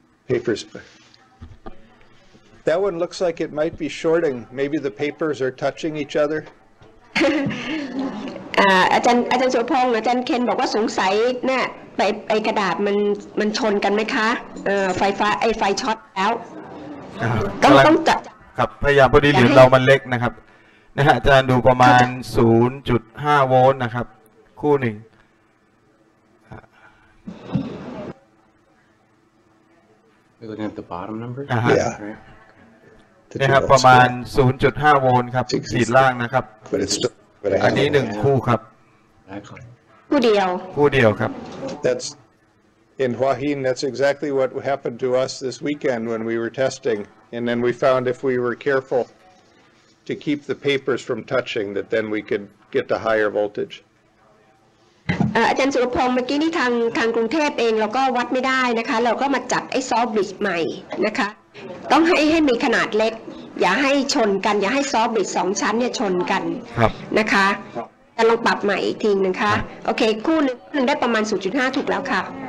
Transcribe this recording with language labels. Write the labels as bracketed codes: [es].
[en] papers that one looks like it might be shorting maybe the papers are touching each other [th] อาจารย์สุพงษ์อาจารย์เคนบอกว่าสงสัยเนี่ยไอกระดาษมันชนกันไหมคะไฟฟ้าไอไฟช็อตแล้วต้องจับ ครับพยายามพอดีเหรียญเรามันเล็กนะครับนะฮะอาจารย์ดูประมาณ 0.5 โวลต์นะครับคู่หนึ่ง [en] we're looking at the bottom number [th] นะครับประมาณ 0.5 โวลต์ครับสีล่างนะครับอันนี้หนึ่งคู่ครับ คู่เดียว คู่เดียวครับ [en] That's in Huahin. That's exactly what happened to us this weekend when we were testing, and then we found if we were careful to keep the papers from touching, that then we could get the higher voltage. [th] อาจารย์สุรพงษ์เมื่อกี้นี่ทางกรุงเทพเองเราก็วัดไม่ได้นะคะเราก็มาจับไอ้ซอฟต์บริดจ์ใหม่นะคะต้องให้มีขนาดเล็กอย่าให้ชนกันอย่าให้ซอฟต์บริดจ์สองชั้นเนี่ยชนกันนะคะจะลองปรับใหม่อีกทีนึงค่ะโอเคคู่หนึ่งได้ประมาณ 0.5 ถูกแล้วค่ะ